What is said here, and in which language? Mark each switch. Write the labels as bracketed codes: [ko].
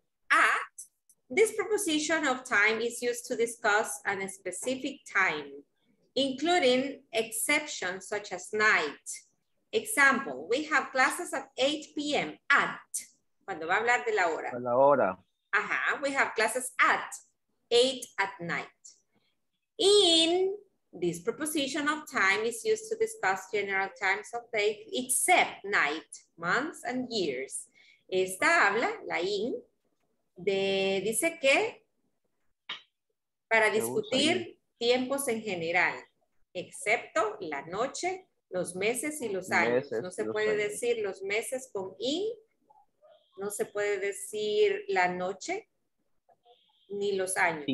[en] At, this preposition of time is used to discuss a specific time, including exceptions such as night. Example, we have classes at 8 p.m. [es] at, cuando va a hablar de la hora. La hora. [en] Ajá, we have classes at 8 at night. In, this preposition of time is used to discuss general times of day, except night, months, and years. [es] Esta habla, la in, de, dice que para discutir tiempos en general, excepto la noche, los meses y los años. No se puede decir los meses con in, no se puede decir la noche ni los años.